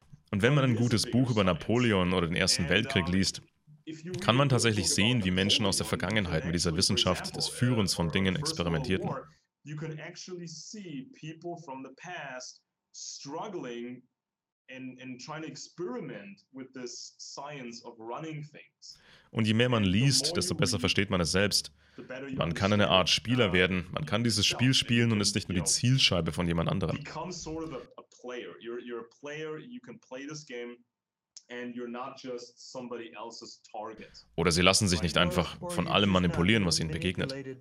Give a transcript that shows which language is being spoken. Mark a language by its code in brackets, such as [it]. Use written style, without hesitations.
[de] Und wenn man ein gutes Buch über Napoleon oder den Ersten Weltkrieg liest, kann man tatsächlich sehen, wie Menschen aus der Vergangenheit mit dieser Wissenschaft des Führens von Dingen experimentierten. [en] You can actually see people from the past struggling and trying to experiment with this science of running things. [de] Und je mehr man liest, desto besser versteht man es selbst. Man kann eine Art Spieler werden. Man kann dieses Spiel spielen und ist nicht nur die Zielscheibe von jemand anderem. [en] Become sort of a player. You're a player. You can play this game. And you're not just somebody else's target. [de] Oder sie lassen sich nicht einfach von allem manipulieren, was ihnen begegnet.